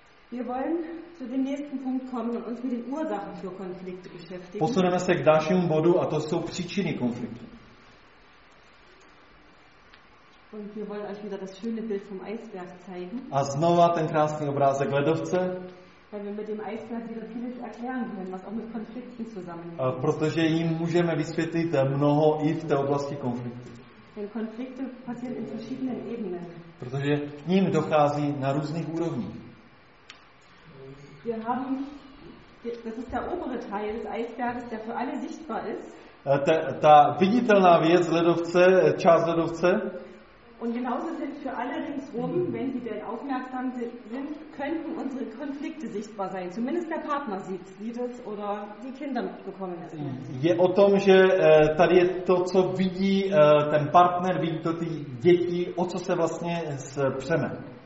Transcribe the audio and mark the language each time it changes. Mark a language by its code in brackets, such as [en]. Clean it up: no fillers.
[de] Wir wollen zu dem nächsten Punkt kommen und uns mit den Ursachen für Konflikte beschäftigen. [cs] Posuneme se k dalšímu bodu a to jsou příčiny konfliktu. [de] Und wir wollen euch wieder das schöne Bild vom Eisberg zeigen. [cs] A znova ten krásný obrázek ledovce. [de] Weil wir mit dem Eisberg wieder vieles erklären können, was auch mit Konflikten zusammenhängt. [cs] A protože jim můžeme vysvětlit mnoho i v té oblasti konfliktu. [de] Denn Konflikte passieren in verschiedenen Ebenen. [cs] Protože k ním dochází na různých úrovních. [de] Wir haben, das ist der obere Teil des Eisberges, der für alle sichtbar ist. [cs] ta viditelná věc ledovce, část ledovce. [de] Und genauso sind für alle ringsrum, wenn sie denn aufmerksam sind, könnten unsere Konflikte sichtbar sein. Zumindest der Partner sieht es oder die Kinder bekommen es. [cs] Je o tom, že tady je to, co vidí ten partner, vidí to ty děti, o co se vlastně přeme.